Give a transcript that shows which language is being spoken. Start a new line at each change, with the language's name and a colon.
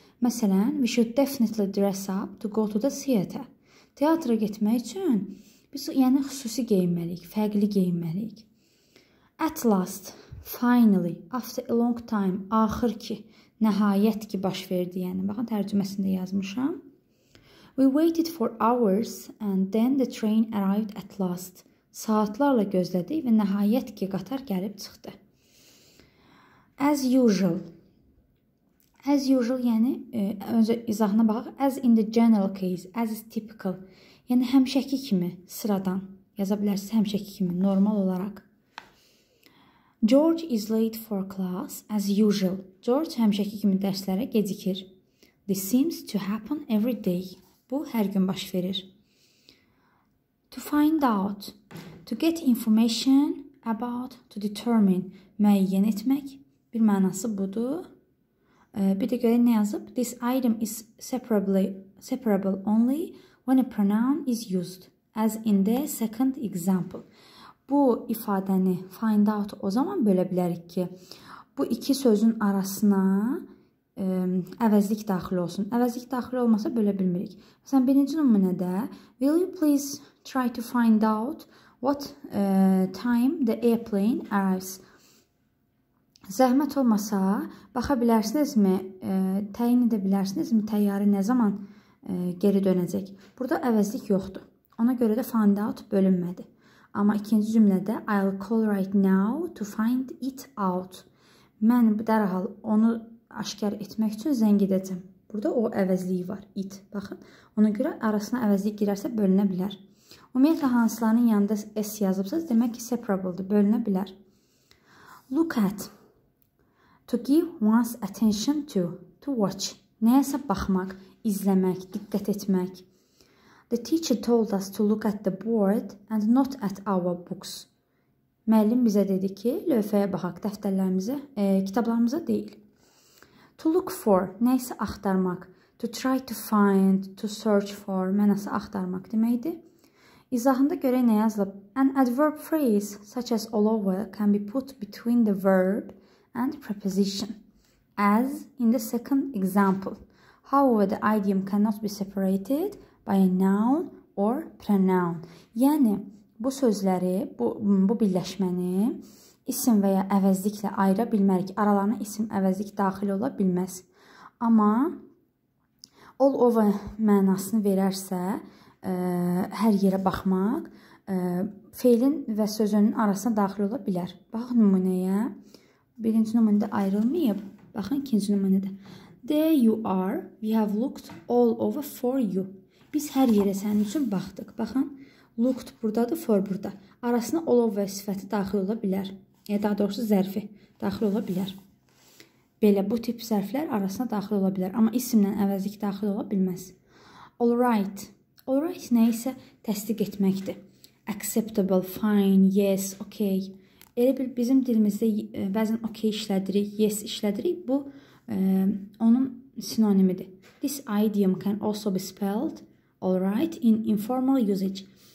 English: Məsələn, we should definitely dress up to go to the theater.
Azerbaijani: Teatra getmək üçün biz yəni xüsusi geyinməliyik, fərqli geyinməliyik.
English: At last, finally, after a long time,
Azerbaijani: axır ki, nəhayət ki baş verdi, yəni. Baxın, tərcüməsində yazmışam.
English: We waited for hours and then the train arrived at last.
Azerbaijani: Saatlarla gözlədik və nəhayət ki qatar gəlib çıxdı.
English: As usual. As usual,
Azerbaijani: yəni, öncə izahına baxaq.
English: As in the general case, as is typical.
Azerbaijani: Yəni, həmşəki kimi, sıradan. Yaza bilərsiniz, həmşəki kimi, normal olaraq.
English: George is late for class, as usual.
Azerbaijani: George həmşəki kimi dərslərə gecikir.
English: This seems to happen every day.
Azerbaijani: Bu, hər gün baş verir.
English: To find out, to get information about, to determine,
Azerbaijani: müəyyən etmək. Bir mənası budur. Bir də görə nə yazıb?
English: This item is separable only when a pronoun is used, as in the second example.
Azerbaijani: Bu ifadəni find out o zaman bölə bilərik ki, bu iki sözün arasına əvəzlik daxil olsun. Əvəzlik daxil olmasa bölə bilmirik. Məsələn, birinci nümunədə,
English: will you please try to find out what time the airplane arrives?
Azerbaijani: Zəhmət olmasa, baxa bilərsinizmi, təyin edə bilərsinizmi, təyyarə nə zaman geri dönəcək? Burada əvəzlik yoxdur. Ona görə də find out bölünmədi. Amma ikinci cümlədə,
English: I'll call right now to find it out.
Azerbaijani: Mən dərhal onu aşkar etmək üçün zəng edəcəm. Burada o əvəzliyi var, it. Baxın, ona görə arasına əvəzlik girərsə bölünə bilər. Ümumiyyətlə, hansılarının yanında S yazıbsınız, demək ki, separable-dır, bölünə bilər.
English: Look at. To give one's attention to watch.
Azerbaijani: Nəyəsə baxmaq, izləmək, diqqət etmək.
English: The teacher told us to look at the board and not at our books.
Azerbaijani: Müəllim bizə dedi ki, lövhəyə baxaq, dəftərlərimizə, kitablarımıza deyil.
English: To look for,
Azerbaijani: nəyəsə axtarmaq.
English: To try to find, to search for,
Azerbaijani: mənəsə axtarmaq deməkdir. İzahında görə nə yazılıb?
English: An adverb phrase such as all over can be put between the verb and preposition, as in the second example. However, the idiom cannot be separated by a noun or pronoun.
Azerbaijani: Yəni, bu sözləri, bu birləşməni isim və ya əvəzliklə ayıra bilmərik. Aralarına isim əvəzlik daxil ola bilməz. Amma all over mənasını verərsə, hər yerə baxmaq, feilin və sözünün arasına daxil ola bilər. Bax nümunəyə. Birinci nümunədə ayrılmayıb. Baxın, ikinci nümunədə.
English: There you are. We have looked all over for you.
Azerbaijani: Biz hər yerə sənin üçün baxdıq. Baxın, looked buradadır, for burada. Arasına all over sifəti daxil ola bilər. Daha doğrusu, zərfi daxil ola bilər. Belə, bu tip zərflər arasına daxil ola bilər. Amma isimlə əvəzlik daxil ola bilməz.
English: All right.
Azerbaijani: All right nə isə təsdiq etməkdir.
English: Acceptable, fine, yes, okay.
Azerbaijani: Elə bir bizim dilimizdə bəzən okay işlədirik, yes işlədirik. Bu, onun sinonimidir.
English: This idiom can also be spelled all right in informal usage.